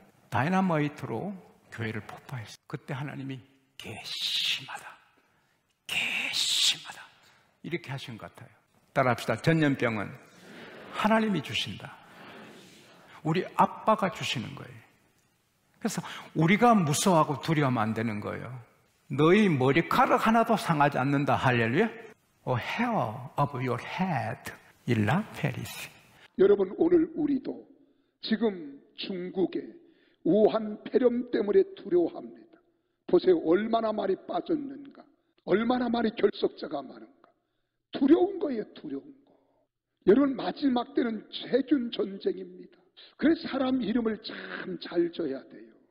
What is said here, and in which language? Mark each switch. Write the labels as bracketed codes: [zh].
[ko] 다이너마이트로 교회를 폭파했어요. 그때 하나님이 괘씸하다, 괘씸하다 이렇게 하신 것 같아요. 따라합시다. 전염병은 하나님이 주신다. 우리 아빠가 주시는 거예요. 그래서 우리가 무서워하고 두려워하면 안 되는 거예요. 너희 머리카락 하나도 상하지 않는다. 할렐루야. [en] Oh, hair of your head is not perishing. [ko] 여러분 오늘 우리도 지금 중국에 우한 폐렴 때문에 두려워합니다. 보세요. 얼마나 많이 빠졌는가. 얼마나 많이 결석자가 많은가. 두려운 거예요. 두려운 거. 여러분 마지막 때는 세균 전쟁입니다. 그래서 사람 이름을 참 잘 줘야 돼요.